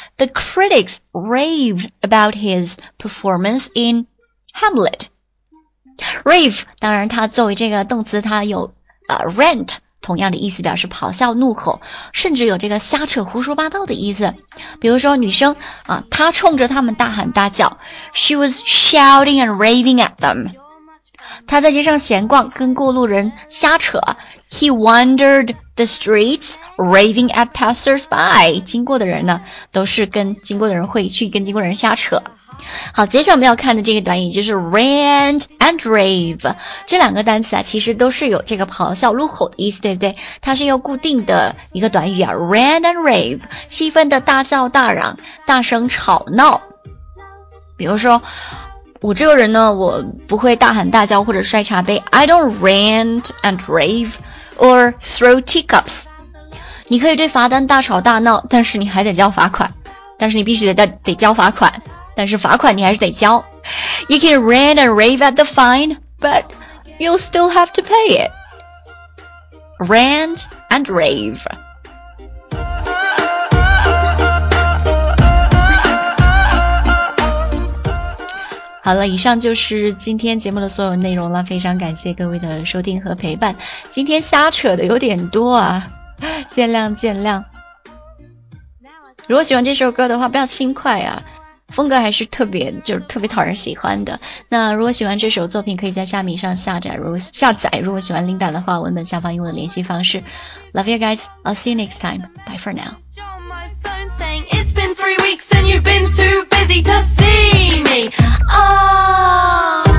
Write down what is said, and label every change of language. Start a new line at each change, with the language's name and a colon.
English: The critics raved about his performance in Hamlet.
Chinese: Rave, 当然他作为这个动词他有、rant,同样的意思表示咆哮怒吼，甚至有这个瞎扯胡说八道的意思。比如说女生啊，她冲着他们大喊大叫，
English: She was shouting and raving at them.
Chinese: 她在街上闲逛，跟过路人瞎扯。
English: He wandered the streets raving at passersby.
Chinese: 经过的人呢，都是跟经过的人会去跟经过的人瞎扯。好，接下来我们要看的这个短语就是 rant and rave, 这两个单词啊其实都是有这个咆哮怒吼的意思，对不对？它是一个固定的一个短语啊， rant and rave, 气氛的大叫大嚷，大声吵闹。比如说我这个人呢，我不会大喊大叫或者摔茶杯，
English: I don't rant and rave or throw teacups.
Chinese: 你可以对罚单大吵大闹，但是你还得交罚款，但是你必须 得交罚款，但是罚款你还是得交。
English: You can rant and rave at the fine, but you'll still have to pay it. Rant and rave.
Chinese: 好了，以上就是今天节目的所有内容了，非常感谢各位的收听和陪伴。今天瞎扯的有点多啊，见谅见谅。如果喜欢这首歌的话，不要轻快啊，风格还是特别，就是特别讨人喜欢的。那如果喜欢这首作品，可以在虾米上下载。如果喜欢 Linda 的话，文本下方有我的联系方式。
English: Love you guys, I'll see you next time. Bye for now. It's been 3 weeks and you've been too busy to see me. Oh.